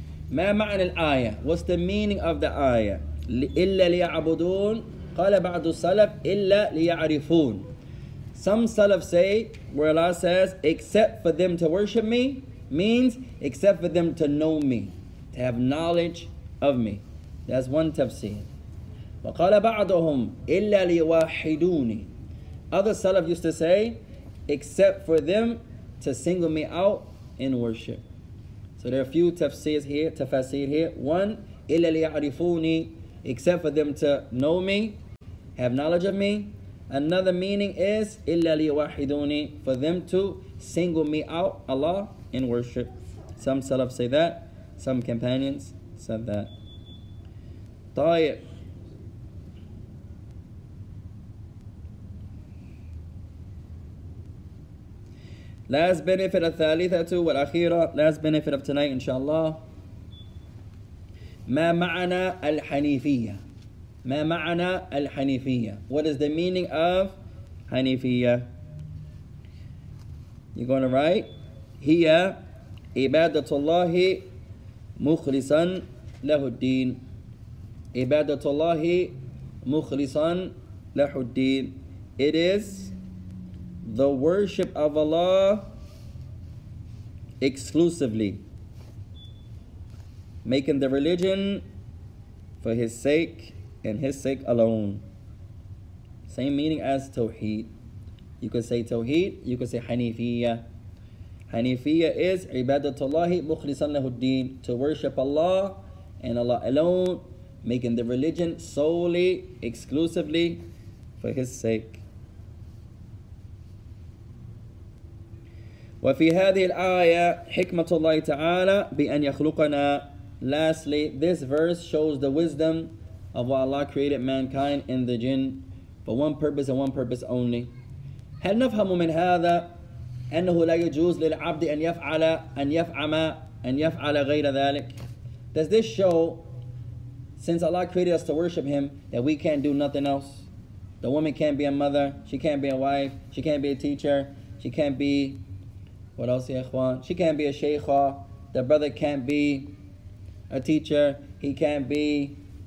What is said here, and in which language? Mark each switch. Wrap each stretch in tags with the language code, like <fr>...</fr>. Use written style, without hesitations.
<ar>ما معنى الآية؟</ar> <en>What's the meaning of the</en> <ar>آية؟ إلا ليعبدون قال بعض السلف إلا ليعرفون.</ar> <en>Some Salaf say, where Allah says, except for them to worship me, means except for them to know me, to have knowledge of me. That's one tafsir.</en> <ar>وقال بعضهم إلا ليوحدوني.</ar> <en>Other Salaf used to say, except for them to single me out in worship. So there are a few tafsir here. One,</en> <ar>إلا ليعرفوني,</ar> <en>except for them to know me, have knowledge of me. Another meaning is</en> <ar>إلا ليوحدوني,</ar> <en>for them to single me out, Allah, in worship. Some Salaf say that. Some companions said that.</en> <ar>طيب.</ar> <en>Last benefit of</en> <ar>Thalithatu wal Akhira,</ar> <en>last benefit of tonight, inshallah.</en> <ar>ما معنى الحنيفية؟ ما معنى الحنيفية؟</ar> <en>What is the meaning of</en> <ar>حنيفية?</ar> <en>You're going to write,</en> <ar>هي عبادة الله مخلصا له الدين. عبادة الله مخلصا له الدين.</ar> <en>It is the worship of Allah exclusively, making the religion for his sake and his sake alone. Same meaning as tawheed. You could say tawheed, you could say hanifiyya. Hanifiyya is</en> <ar>ibadatullahi mukhlisan lahu ad-din,</ar> <en>to worship Allah and Allah alone, making the religion solely, exclusively for his sake.</en> <ar>وفي هذه الآية حكمة الله تعالى بأن يخلقنا.</ar> <en>Lastly, this verse shows the wisdom of why Allah created mankind and the jinn for one purpose and one purpose only.</en> <ar>هل نفهم من هذا أنه لا يجوز للعبد أن يفعل أن يفعم أن يفعل غير ذلك?</ar> <en>Does this show, since Allah created us to worship Him, that we can't do nothing else? The woman can't be a mother, she can't be a wife, she can't be a teacher, she can't be... What else, ya ikhwan? She can't be a sheikha. The brother can't be a teacher. He can't be...</en>